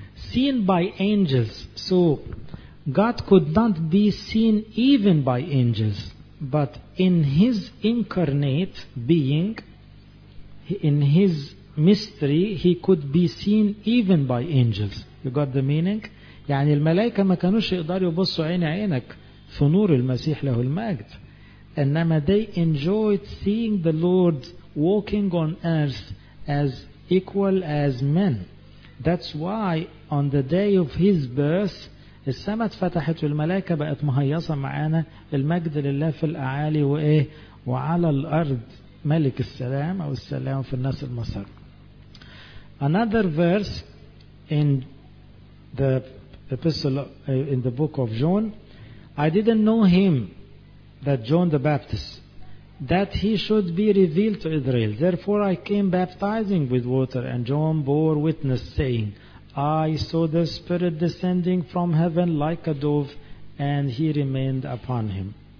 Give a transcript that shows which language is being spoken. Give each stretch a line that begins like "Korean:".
English: Seen by angels. So God could not be seen even by angels, but in His incarnate being, in His mystery, He could be seen even by angels. You got the meaning?
Arabic: يعني الملائكة ما كانوش يقدروا يبصوا عين عينك في نور المسيح له المجد. إنما
English: they enjoyed seeing the Lord walking on earth as equal as men. That's why on the day of His birth,
Arabic: السماء اتفتحت والملائكة بقت مهيصة معانا المجد لله في الأعالي وإيه؟ وعلى الأرض ملك السلام أو السلام في الناس المصر.
English: Another verse in the epistle, in the book of John, I didn't know him, that John the Baptist, that he should be revealed to Israel. Therefore I came baptizing with water, and John bore witness, saying, I saw the Spirit descending from heaven like a dove, and He remained upon him.